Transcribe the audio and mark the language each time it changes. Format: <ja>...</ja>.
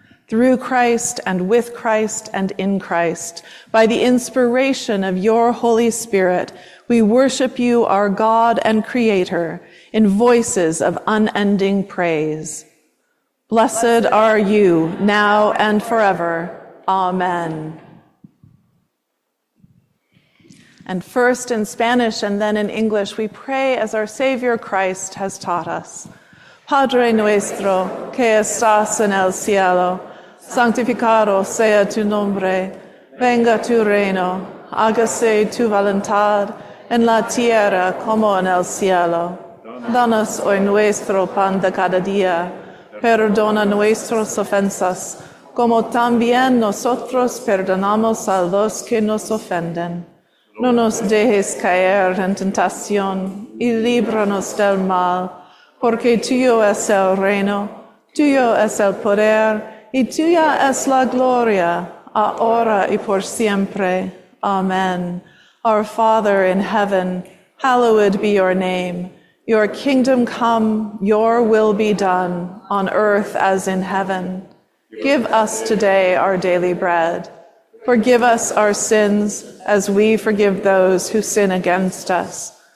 <en>Through Christ and with Christ and in Christ, by the inspiration of your Holy Spirit, we worship you, our God and Creator, in voices of unending praise. Blessed are you, now and forever. Amen. And first in Spanish and then in English, we pray as our Savior Christ has taught us.</en> <es>Padre nuestro, que estás en el cielo, santificado sea tu nombre, venga tu reino, hágase tu voluntad, en la tierra como en el cielo. Danos hoy nuestro pan de cada día, perdona nuestras ofensas, como también nosotros perdonamos a los que nos ofenden. No nos dejes caer en tentación, y líbranos del mal, porque tuyo es el reino, tuyo es el poder, y tuya es la gloria, ahora y por siempre.</es> <en>Amen. Our Father in heaven, hallowed be your name. Your kingdom come, your will be done, on earth as in heaven. Give us today our daily bread. Forgive us our sins, as we forgive those who sin against us.</en>